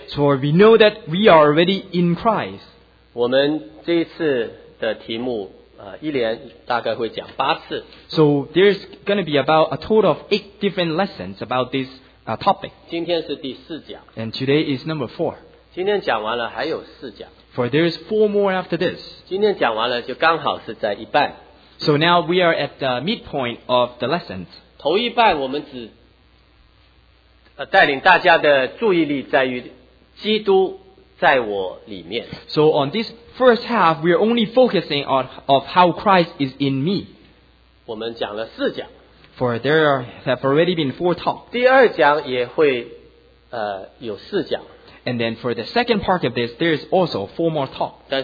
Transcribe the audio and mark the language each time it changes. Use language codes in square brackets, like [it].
[en] so we know that we are already in Christ. [zh] 我们这一次的题目, 一连大概会讲八次, [en] so there's going to be about a total of 8 different lessons about this topic. [zh] 今天是第四讲, [en] and today is number 4. [zh] 今天讲完了还有四讲, [en] for there is 4 more after this. [zh] 今天讲完了就刚好是在一半, [en] so now we are at the midpoint of the lessons. [zh] 头一半我们只 带领大家的注意力在于基督在我里面, [en] so on this first half we are only focusing on of how Christ is in me. [zh] 我们讲了四讲, [en] for there have already been 4 talks. [zh] 第二讲也会 有四讲, [en] and then for the second part of this, there is also 4 more talks.